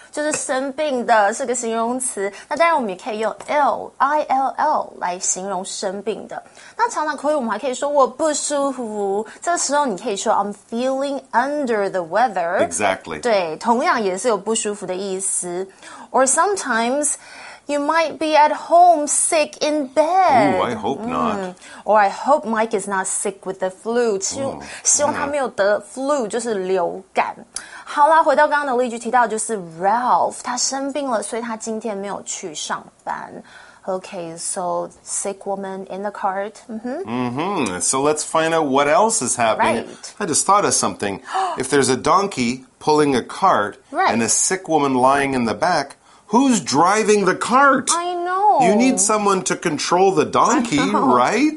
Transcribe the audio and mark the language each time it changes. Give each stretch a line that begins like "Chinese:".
Chinese: 就是生病的是个形容词。那当然我们也可以用 ill 来形容生病的。那常常口语我们还可以说我不舒服。这时候你可以说
English: I'm feeling under the weather. Exactly.
Chinese: 对，同样也是有不舒服的意思。
English: Or sometimes... You might be at home sick in bed. Ooh, I hope not. Or I hope Mike is not sick with the flu.
Chinese: 希望他没有得 flu, 就是流感。好啦，回到刚刚的例句提到就是 Ralph, 他生病了，所以他今天没有去上班。
English: Okay, so sick woman in the cart. So let's find out what else is happening. Right. I just thought of something. If there's a donkey pulling a cart, right. and a sick woman lying in the back,Who's driving the cart? I know. You need someone to control the donkey, right?